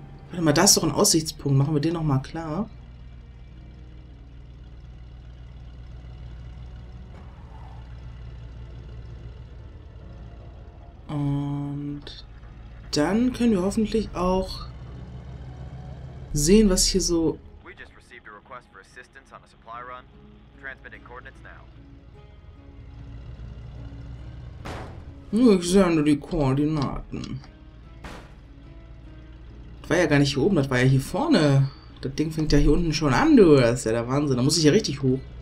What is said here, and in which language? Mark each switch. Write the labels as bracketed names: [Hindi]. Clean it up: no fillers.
[German] Warte mal, da ist doch ein Aussichtspunkt. Machen wir den nochmal klar. Und dann können wir hoffentlich auch sehen, was hier so. [English] We just received a request for assistance on a supply run. Transmitting coordinates now. [German] Ich sende die Koordinaten. Das war ja gar nicht hier oben, das war ja hier vorne. Das Ding fängt ja hier unten schon an, du. Das ist ja der Wahnsinn. Da muss ich ja richtig hoch.